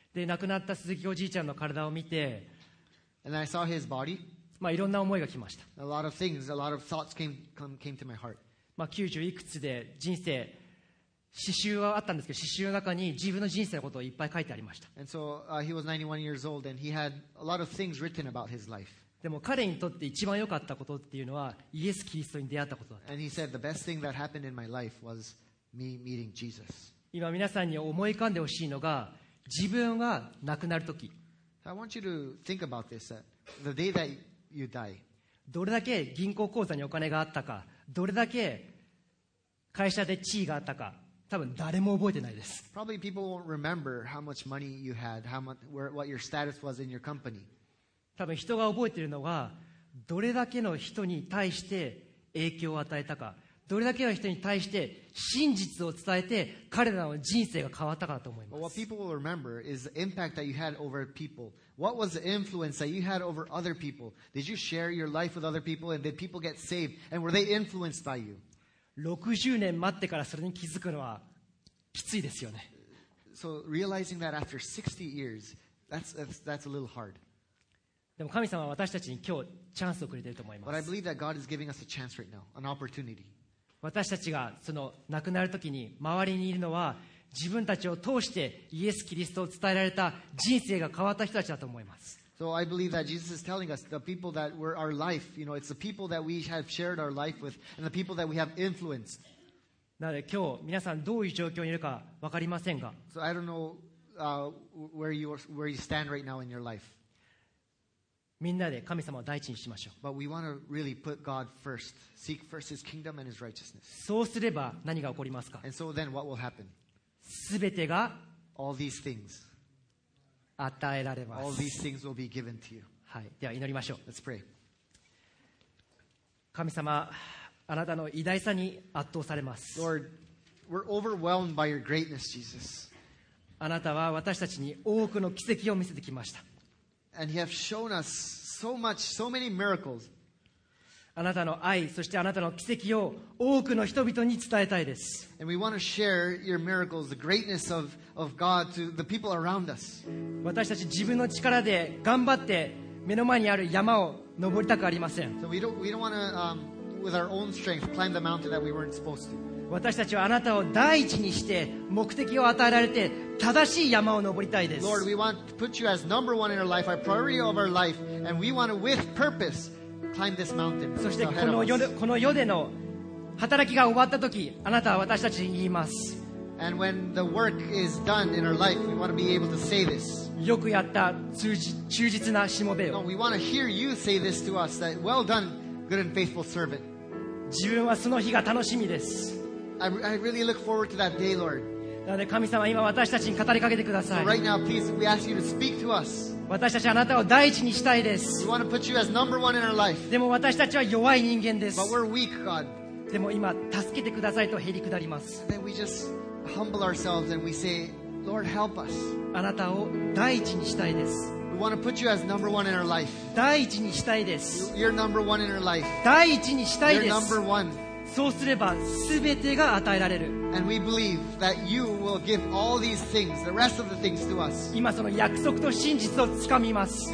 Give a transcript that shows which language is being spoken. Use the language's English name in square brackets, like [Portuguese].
[Japanese] で、亡くなった鈴木おじいちゃんの体を見て、 [English] And I saw his body. [Japanese] まあ、いろんな思いが来ました。 [English] A lot of things, a lot of thoughts came to my heart. [Japanese] まあ、90いくつで人生、詩集はあったんですけど、詩集の中に自分の人生のことをいっぱい書いてありました。 [English] And so, he was 91 years old and he had a lot of things written about his life. [Japanese] でも彼にとって一番良かったことっていうのはイエス・キリストに出会ったことだった。 [English] And he said, the best thing that happened in my life was me meeting Jesus. [Japanese] 今皆さんに思い浮かんでほしいのが、自分が亡くなるとき。 [English] I want you to think about this, that the day that you die. [Japanese] どれだけ銀行口座にお金があったか、どれだけ会社で地位があったか、多分誰も覚えてないです。 [English] Probably people won't remember how much money you had, what your status was in your company. [Japanese] 多分人が覚えているのは、どれだけの人に対して影響を与えたか、どれだけの人に対して真実を伝えて彼らの人生が変わったかだと思います。 [English] But what people will remember is the impact that you had over people. What was the influence that you had over other people? Did you share your life with other people and did people get saved and were they influenced by you? [Japanese] 60年待ってからそれに気づくのはきついですよね。 [English] So realizing that after 60 years, that's a little hard. [Japanese] でも神様は私たちに今日チャンスをくれていると思います。 [English] But I believe that God is giving us a chance right now, an opportunity. [Japanese] 私たちがその亡くなるときに周りにいるのは自分たちを通してイエス・キリストを伝えられた人生が変わった人たちだと思います。 [English] So I believe that Jesus is telling us the people that were our life, you know, it's the people that we have shared our life with and the people that we have influenced. [Japanese] なので今日皆さんどういう状況にいるか分かりませんが、 [English] So I don't know where you stand right now in your life. [Japanese] みんなで神様を第一にしましょう。 [English] But we want to really put God first. Seek first His kingdom and His righteousness. [Japanese] そうすれば何が起こりますか？ [English] And so then what will happen? [Japanese] 全てが [English] All these things. [Japanese] 与えられます。 [English] All these things will be given to you.、 [Japanese] はい、では祈りましょう。 [English] Let's pray. [Japanese] 神様、あなたの偉大さに圧倒されます。 [English] Lord, we're overwhelmed by your greatness, Jesus. [Japanese] あなたは私たちに多くの奇跡を見せてきました。 [English] And you have shown us so much, so many miracles. [Japanese] あなたの愛、そしてあなたの奇跡を多くの人々に伝えたいです。 [English] And we want to share your miracles, the greatness of God to the people around us. [Japanese] 私たち自分の力で頑張って目の前にある山を登りたくありません。 [English] So we don't want to, with our own strength, climb the mountain that we weren't supposed to. [Japanese] 私たちはあなたを第一にして目的を与えられて正しい山を登りたいです。 [English] Lord, we want to put you as number one in our life, our priority of our life, and we want to, with purpose, climb this mountain. [Japanese] そしてこの世での働きが終わった時、あなたは私たちに言います。 [English] And when the work is done in our life, we want to be able to say this. [Japanese] よくやった、忠実なしもべよ。 [English] No, we want to hear you say this to us, that well done, good and faithful servant. [Japanese] 自分はその日が楽しみです。 [English] I really look forward to that day, Lord. [Japanese] なので神様、今私たちに語りかけてください。 [English] So right now, please, we ask you to speak to us. [Japanese] 私たちはあなたを第一にしたいです。 [English] We want to put you as number one in our life. [Japanese] でも私たちは弱い人間です。 [English] But we're weak, God. [Japanese] でも今、助けてくださいと減り下ります。 [English] Then we just humble ourselves and we say, Lord, help us. [Japanese] あなたを第一にしたいです。 [English] We want to put you as number one in our life. [Japanese] 第一にしたいです。 [English] You're number one in our life. [Japanese] 第一にしたいです。 [English] You're number one. [Japanese] そうすれば全てが与えられる。 [English] And we believe that you will give all these things, the rest of the things to us. [Japanese] 今その約束と真実をつかみます。